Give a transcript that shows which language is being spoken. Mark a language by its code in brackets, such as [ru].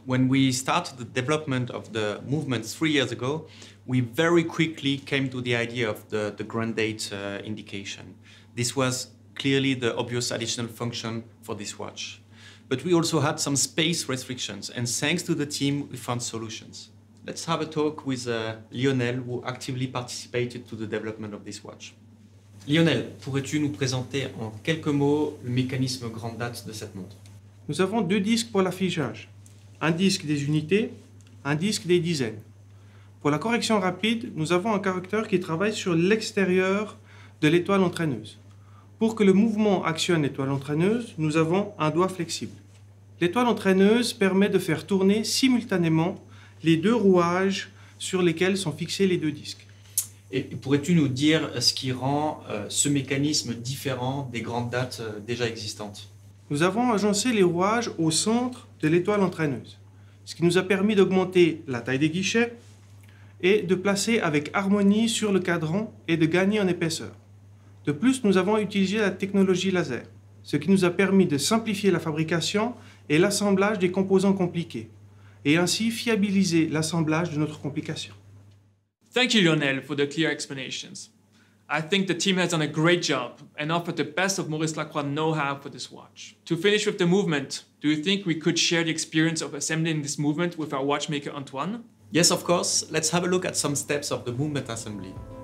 [en] When we started the development of the movement 3 years ago, we very quickly came to the idea of the Grand Date indication. This was clearly the obvious additional function for this watch. But we also had some space restrictions, and thanks to the team, we found solutions. Let's have a talk with Lionel, who actively participated to the development of this watch. [fr] Lionel, pourrais-tu nous présenter en quelques mots le mécanisme grande date de cette montre? Nous avons deux disques pour l'affichage. Un disque des unités, un disque des dizaines. Pour la correction rapide, nous avons un correcteur qui travaille sur l'extérieur de l'étoile entraîneuse. Pour que le mouvement actionne l'étoile entraîneuse, nous avons un doigt flexible. L'étoile entraîneuse permet de faire tourner simultanément les deux rouages sur lesquels sont fixés les deux disques. Et pourrais-tu nous dire ce qui rend ce mécanisme différent des grandes dates déjà existantes? Nous avons agencé les rouages au centre de l'étoile entraîneuse, ce qui nous a permis d'augmenter la taille des guichets et de placer avec harmonie sur le cadran et de gagner en épaisseur. De plus, nous avons utilisé la technologie laser, ce qui nous a permis de simplifier la fabrication et l'assemblage des composants compliqués, et ainsi fiabiliser l'assemblage de notre complication. [en] Thank you, Lionel, for the clear explanations. I think the team has done a great job and offered the best of Maurice Lacroix know-how for this watch. To finish with the movement, do you think we could share the experience of assembling this movement with our watchmaker Antoine? Yes, of course. Let's have a look at some steps of the movement assembly.